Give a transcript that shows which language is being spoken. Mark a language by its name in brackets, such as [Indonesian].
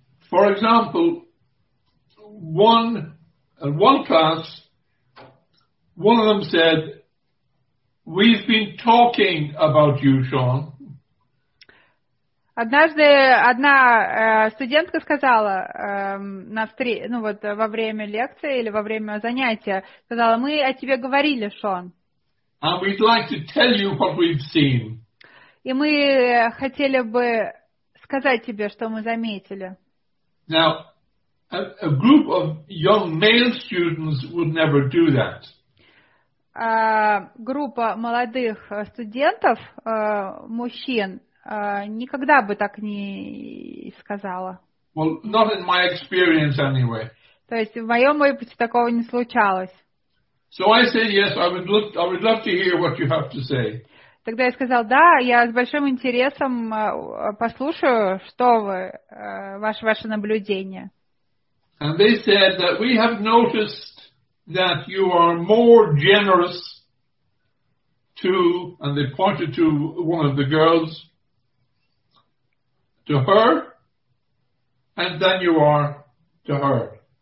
[English] For example, one class, one of them said, "We've been talking about you, Sean." [Russian] Однажды одна студентка сказала во время лекции или во время занятия, сказала, мы о тебе говорили, Шон. [English] And we'd like to tell you what we've seen. [Russian] И мы хотели бы сказать тебе, что мы заметили. [English] Now, a group of young male students would never do that. [Russian] Группа молодых студентов, мужчин, никогда бы так не сказала. [English] Well, not in my experience anyway. [Russian] То есть в моем опыте такого не случалось. [English] So I said, yes, I would love to hear what you have to say. [Russian] Тогда я сказал, да, я с большим интересом послушаю, что вы, ваше наблюдение. [English] And they said that we have noticed that you are more generous to, and they pointed to one of the girls, to her, and then you are to her.